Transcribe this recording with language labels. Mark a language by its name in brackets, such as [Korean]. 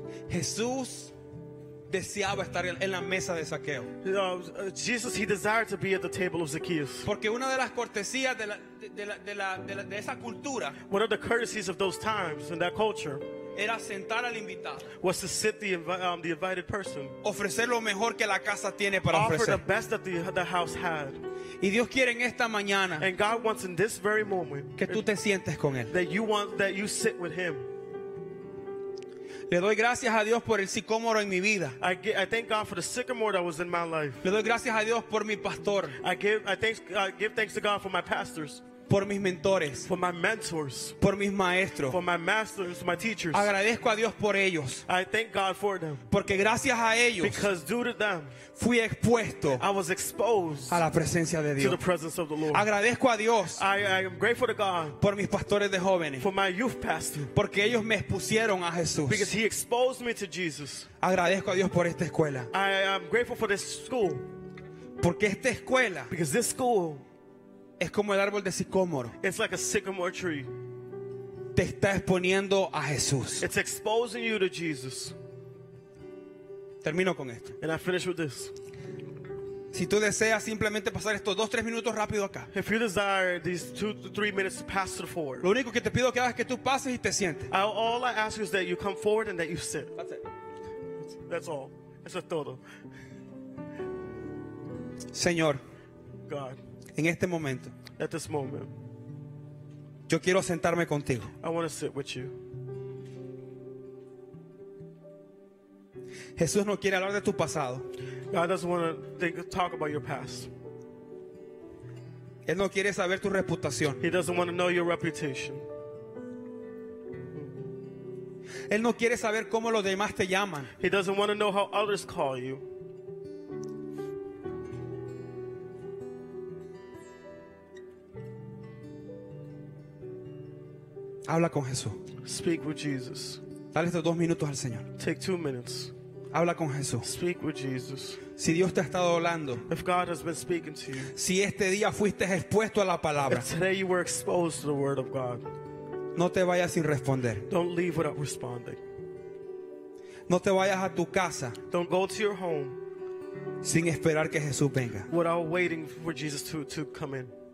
[Spanish] Jesús deseaba estar en la mesa de Zaqueo. [English] Jesus, he desired to be at the table of Zacchaeus. [Spanish] Porque una de las cortesías de esa cultura, [English] one of the courtesies of those times and that culture, [Spanish] era sentar al invitado. [English] Was to sit the invited person. [Spanish] Ofrecer lo mejor que la casa tiene para [English] offer [Spanish] ofrecer. [English] Offer the best that the house had. [Spanish] Y Dios quiere en esta mañana. [English] And God wants in this very moment. [Spanish] Que tú te sientes con él. [English] That you sit with him. [Spanish] Le doy gracias a Dios por el sicómoro en mi vida. [English] I thank God for the sycamore that was in my life. [Spanish] Le doy gracias a Dios por mi pastor. [English] I give thanks to God for my pastors. [Spanish] Por mis mentores, [English] for my mentors, [Spanish] por mis maestros, [English] for my masters, my teachers. [Spanish] Agradezco a Dios por ellos. [English] I thank God for them. [Spanish] Porque gracias a ellos, [English] because due to them, [Spanish] fui expuesto, [English] I was exposed, [Spanish] a la presencia de Dios, [English] to the presence of the Lord. [Spanish] Agradezco a Dios, [English] I am grateful to God, [Spanish] por mis pastores de jóvenes, [English] for my youth pastors, [Spanish] porque ellos me expusieron a Jesús, [English] because he exposed me to Jesus. [Spanish] Agradezco a Dios por esta escuela. [English] I am grateful for this school. [Spanish] Porque esta escuela, [English] because this school, [Spanish] es como el árbol de sicómoro. [English] It's like a sycamore tree. [Spanish] Te está exponiendo a Jesús. [English] It's exposing you to Jesus. [Spanish] Termino con esto. [English] And I finish with this. [Spanish] Si tú deseas simplemente pasar estos 2-3 minutos rápido acá, [English] if you desire these 2-3 minutes to pass it forward, [Spanish] lo único que te pido que hagas es que tú pases y te sientes. [English] All I ask is that you come forward and that you sit. That's it. That's all. [Spanish] Eso es todo. Señor, [English] God, [Spanish] en este momento, [English] at this moment, [Spanish] yo quiero sentarme contigo. [English] I want to sit with you. [Spanish] Jesús no quiere hablar de tu pasado. [English] God doesn't want to think, talk about your past. [Spanish] Él no quiere saber tu reputación. [English] He doesn't want to know your reputation. [Spanish] Él no quiere saber cómo los demás te llaman. [English] He doesn't want to know how others call you. [Spanish] Habla con Jesús. [English] Speak with Jesus. [Spanish] Dale estos 2 minutos al Señor. [English] Take 2 minutes. [Spanish] Habla con Jesús. [English] Speak with Jesus. [Spanish] Si Dios te ha estado hablando, [English] if God has been speaking to you, [Spanish] si este día fuiste expuesto a la palabra, [English] if today you were exposed to the word of God, [Spanish] no te vayas sin responder. [English] Don't leave without responding. [Spanish] No te vayas a tu casa, [English] don't go to your home, [Spanish] sin esperar que Jesús venga, [English] without waiting for Jesus to come in.